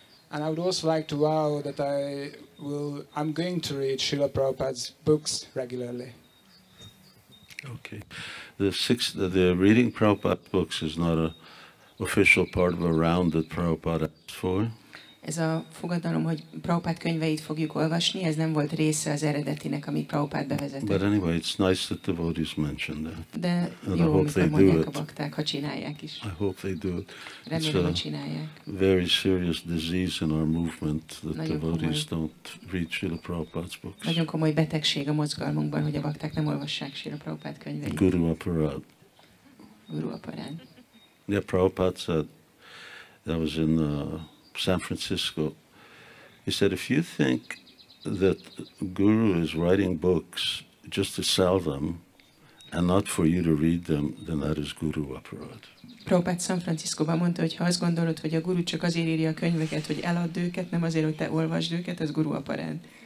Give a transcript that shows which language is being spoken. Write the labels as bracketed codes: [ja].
[en] And I would also like to vow that I'm going to read Srila Prabhupada's books regularly. Okay. The reading Prabhupada books is not a official part of a round that Prabhupada asked for. [hu] Ez a fogadalom, hogy Prabhupada könyveit fogjuk olvasni, ez nem volt része az eredetinek, amit Prabhupada bevezetett. [en] But anyway, it's nice that the devotees mentioned that. [hu] De and jó, amikor mondják a bakták, ha csinálják is. [en] I hope they do it. [hu] Remélem, hogy csinálják. [en] Very serious disease in our movement that [hu] nagyon [en] devotees [hu] komoly. [en] Don't read Srila Prabhupada's books. [hu] Nagyon komoly betegség a mozgalmunkban, hogy a bakták nem olvassák Srila Prabhupada könyveit. [en] Guru Aparad. [hu] Guru Aparad. [en] Yeah, Prabhupada said that was in San Francisco. He said, if you think that Guru is writing books just to sell them and not for you to read them, then that is Guru Aparad. [hu] Prabhupada San Francisco-ban mondta, hogy ha azt gondolod, hogy a Guru csak azért írja a könyveket, hogy eladd őket, nem azért, hogy te olvasd őket, az Guru Aparad.